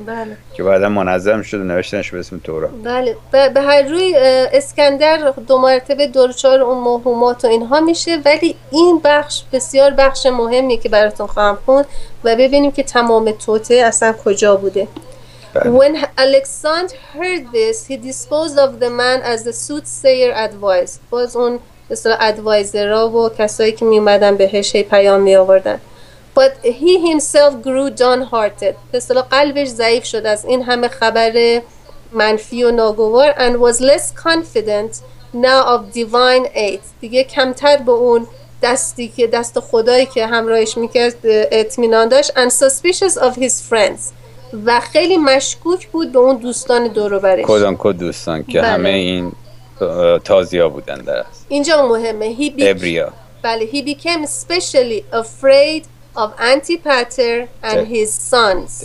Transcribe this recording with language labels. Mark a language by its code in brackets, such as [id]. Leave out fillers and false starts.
[fa] بله. که بعدا منظم شد و نوشتنش به اسم تورات. بله. به هر روی اسکندر دو مرتبه دچار اون موهومات و اینها میشه، ولی این بخش بسیار بخش مهمی که براتون خواهم خوند و ببینیم که تمام توطئه اصلا کجا بوده. [en] When Alexander heard this, he disposed of the man as the soothsayer advised. [fa] باز اون مثلا ادوایزرا و کسایی که میومدن بهش پیام می آوردن. [en] But he himself grew downhearted. [fa] مثلا قلبش ضعیف شد از این همه خبر منفی و ناگوار. [en] And was less confident now of divine aid. [fa] دیگه کمتر به اون دستی که دست خدایی که همراهش میکرد اطمینان داشت. [en] And suspicious of his friends. [fa] و خیلی مشکوک بود به اون دوستان دوروبرش. کدام کد دوستان که بله. همه این تازیا بودن در است. اینجا مهمه. ابریا. بله. [en] He became especially afraid of Antipater and his sons.